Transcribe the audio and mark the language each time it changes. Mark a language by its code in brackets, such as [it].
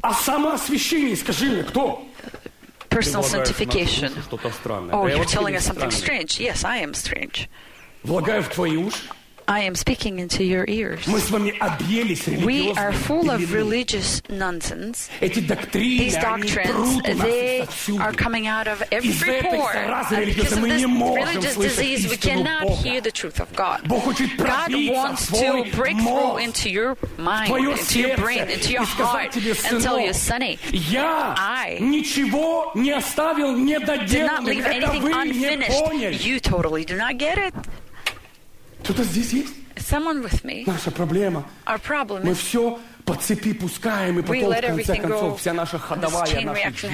[ru] О самоосвящении, скажи мне, кто? [en] Personal sanctification. [ru] Что-то странное. [en] Oh, you're telling us something strange. Yes, I am strange. [ru] Влагаю в твои уши. [en] I am speaking into your ears. [ru] Мы с вами объелись религиозной [en] We are full of religious nonsense. [ru] Эти доктрины, [en] These doctrines, they are coming out of every pore. And because of this religious disease, we cannot [ru] Бога. [en] Hear the truth of God. [ru] Бог хочет пробиться [en] God wants to break through into your mind, into [ru] сердце, [en] your brain, into your heart, [ru] тебе, [en] and tell you, Sonny, I [ru] ничего не оставил, не доделал, [en] did not leave anything unfinished. You totally do not get it. [ru] Кто-то здесь есть? [en] Someone with me. [ru] Наша проблема. [en] Our problem [ru] мы все по цепи пускаем, и потом, в конце концов, вся наша ходовая, наша жизнь